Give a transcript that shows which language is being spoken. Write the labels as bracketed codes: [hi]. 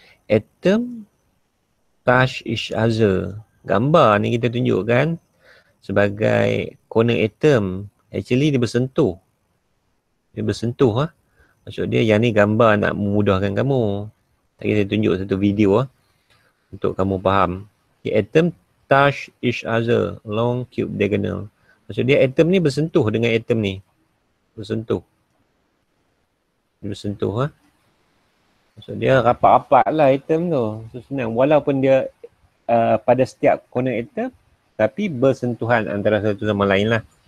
[en] Atom touch each other. [ms] Gambar ni kita tunjukkan sebagai corner atom. Actually dia bersentuh. Dia bersentuh lah. Maksud dia yang ni gambar nak memudahkan kamu. Tadi saya tunjuk satu video lah untuk kamu faham. [en] The atom touch each other along cube diagonal. [ms] Maksud dia atom ni bersentuh dengan atom ni. Bersentuh. Dia bersentuh lah. Maksud dia rapat-rapat lah atom tu. So senang. Walaupun dia pada setiap corner atom tapi bersentuhan antara satu sama lain lah.